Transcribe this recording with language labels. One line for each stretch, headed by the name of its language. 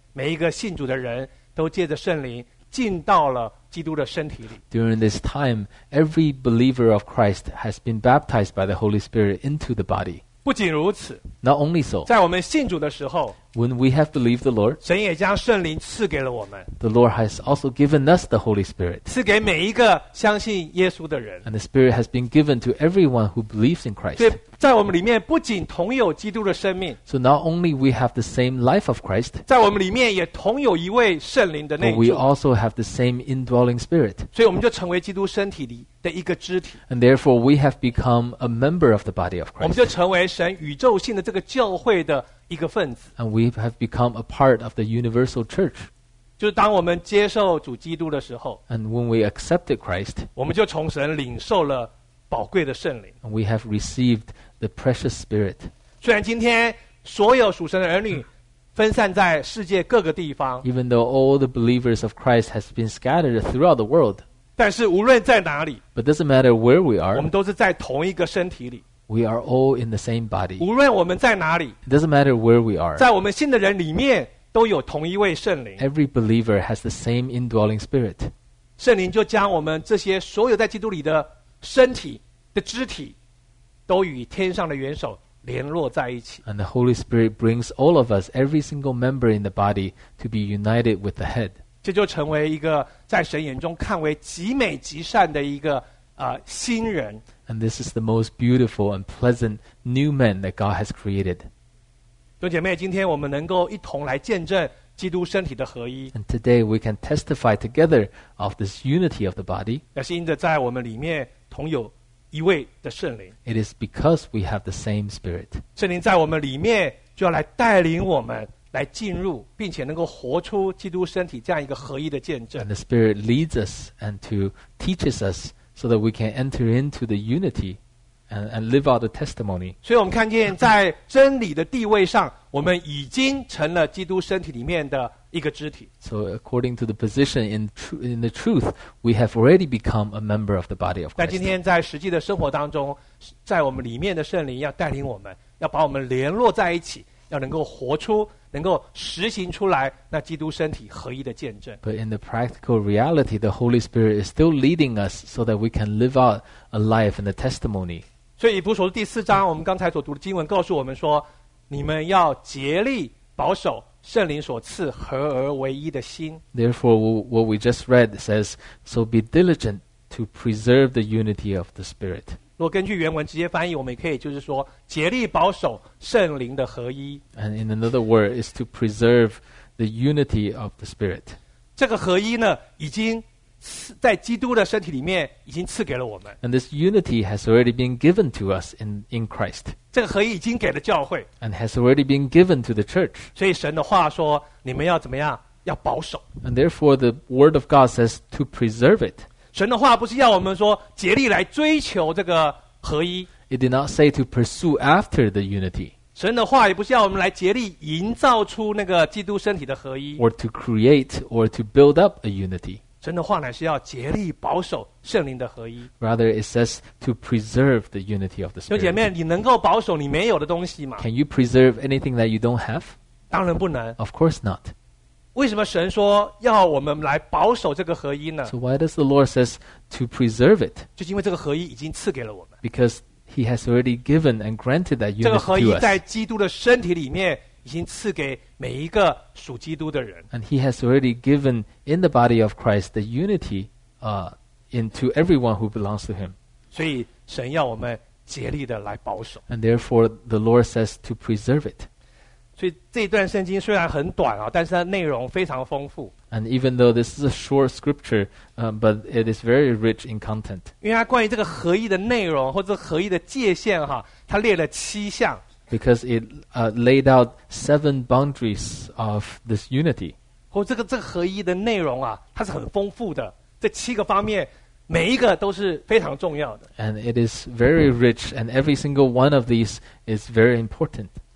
Chinese: 每一个信主的人都借着圣灵进到了基督的身体里。
English: During this time, every believer of Christ has been baptized by the Holy Spirit into the body.
Chinese: 不仅如此,
English: not only so,
Chinese: 在我们信主的时候,
English: When we have believed the Lord,
Chinese: 神也将圣灵赐给了我们。
English: The Lord has also given us the Holy Spirit.
Chinese: 赐给每一个相信耶稣的人。
English: And the Spirit has been given to everyone who believes in Christ.
Chinese: 对，在我们里面不仅同有基督的生命。
English: So not only we have the same life of Christ.
Chinese: 在我们里面也同有一位圣灵的内住。
English: But we also have the same indwelling Spirit.
Chinese: 所以我们就成为基督身体里的一个肢体。
English: And therefore we have become a member of the body of Christ.
Chinese: 我们就成为神宇宙性的这个教会的。
English: And we have become a part of the universal church.
Chinese: 就是当我们接受主基督的时候
English: And when we accepted Christ,
Chinese: 我们就从神领受了宝贵的圣灵
English: And we have received the precious spirit.
Chinese: 虽然今天所有属神的儿女分散在世界各个地方
English: Even though all the believers of Christ has been scattered throughout the world,
Chinese: 但是无论在哪里
English: But doesn't matter where we are,
Chinese: 我们都是在同一个身体里
English: We are all in the same body.
Chinese: 无论我们在哪里
English: It doesn't matter where we are.
Chinese: 在我们信的人里面都有同一位圣灵
English: Every believer has the same indwelling spirit.
Chinese: 圣灵就将我们这些所有在基督里的身体的肢体都与天上的元首联络在一起
English: And the Holy Spirit brings all of us, every single member in the body, to be united with the head.
Chinese: 这就成为一个在神眼中看为极美极善的一个新人
English: And this is the most beautiful and pleasant new man that God has created.
Chinese: 弟兄姐妹，今天我们能够一同来见证基督身体的合一。
English: And today we can testify together of this unity of the body.
Chinese: 那是因着在我们里面同有一位的圣灵。
English: It is because we have the same spirit.
Chinese: 圣灵在我们里面就要来带领我们来进入，并且能够活出基督身体这样一个合一的见证。
English: And the spirit leads us and to teaches us. So that we can enter into the unity and live out the testimony.
Chinese: 所以我们看见在真理的地位上我们已经成了基督身体里面的一个肢体。
English: So according to the position in the truth, we have already become a member of the body of Christ.
Chinese: 但今天在实际的生活当中在我们里面的圣灵要带领我们要把我们联络在一起要能够活出能够实行出来那基督身体合一的见证
English: But in the practical reality The Holy Spirit is still leading us So that we can live out a life and a testimony
Chinese: 所以以弗所书第四章我们刚才所读的经文告诉我们说你们要竭力保守圣灵所赐合而为一的心
English: Therefore what we just read says So be diligent to preserve the unity of the Spirit
Chinese: 如果根据原文直接翻译我们也可以就是说竭力保守圣灵的合一
English: And in another word is to preserve the unity of the Spirit
Chinese: 这个合一呢已经在基督的身体里面已经赐给了我们
English: And this unity has already been given to us in Christ
Chinese: 这个合一已经给了教会
English: And has already been given to the church
Chinese: 所以神的话说你们要怎么样要保守
English: And therefore the word of God says to preserve it
Chinese: 神的话不是要我们说竭力来追求这个合一
English: It did not say to pursue after the unity.
Chinese: 神的话也不是要我们来竭力营造出那个基督身体的合一
English: Or to create or to build up a unity.
Chinese: 神的话乃是要竭力保守圣灵的合一
English: Rather, it says to preserve the unity of the Spirit.
Chinese: 兄姐妹，你能够保守你没有的东西吗
English: Can you preserve anything that you don't have?
Chinese: 当然不能
English: Of course not.
Chinese: 为什么神说要我们来保守这个合一呢
English: So why does the Lord says to preserve it?
Chinese: 就因为这个合一已经赐给了我们
English: Because He has already given and granted that unity to us.
Chinese: 这个合一在基督的身体里面已经赐给每一个属基督的人。
English: And he has already given in the body of Christ the unity into everyone who belongs to him.
Chinese: 所以神要我们竭力的来保守。
English: And therefore the Lord says to preserve it.
Chinese: 所以这段圣经虽然很短啊，但是它内容非常丰富。
English: And even though this is a short scripture, but it is very rich in content.
Chinese: 因为它关于这个合一的内容或者合一的界限哈，它列了七项。
English: Because it laid out seven boundaries of this unity.
Chinese: 或这个合一的内容啊，它是很丰富的。这七个方面，每一个都是非常重要的。
English: And it is very rich, and every single one of these is very important.